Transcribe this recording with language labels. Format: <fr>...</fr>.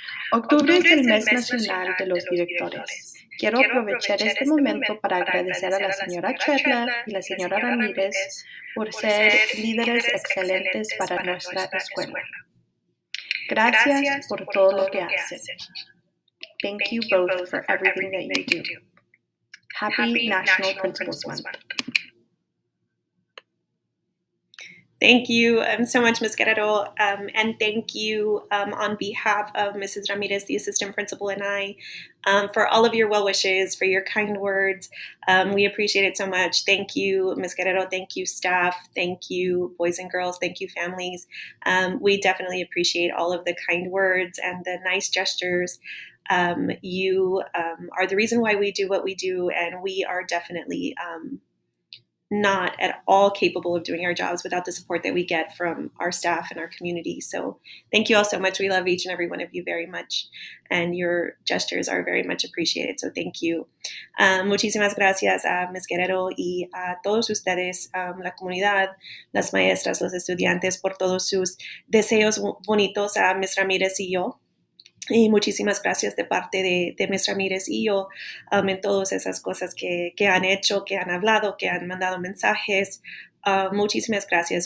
<es>Octubre es el mes nacional de los directores. Quiero aprovechar este momento para agradecer a la señora Chedla y la señora Ramirez por ser líderes excelentes para nuestra escuela. Gracias por todo lo que hacen.</es> <en>Thank you both for everything that you do. Happy National Principals Month. Thank you so much, Ms. Guerrero, and thank you on behalf of Mrs. Ramirez, the assistant principal, and I, for all of your well wishes, for your kind words. We appreciate it so much. Thank you, Ms. Guerrero. Thank you, staff. Thank you, boys and girls. Thank you, families. We definitely appreciate all of the kind words and the nice gestures. You are the reason why we do what we do, and we are definitely not at all capable of doing our jobs without the support that we get from our staff and our community. So thank you all so much. We love each and every one of you very much, and your gestures are very much appreciated. So thank you.</en> <es>Muchísimas gracias a</es> <en>Ms.</en> <es>Guerrero y a todos ustedes, la comunidad, las maestras, los estudiantes, por todos sus deseos bonitos a Ms. Ramirez y yo. Y muchísimas gracias de parte de Ms. Ramirez y yo en todas esas cosas que han hecho, que han hablado, que han mandado mensajes. Muchísimas gracias.</es>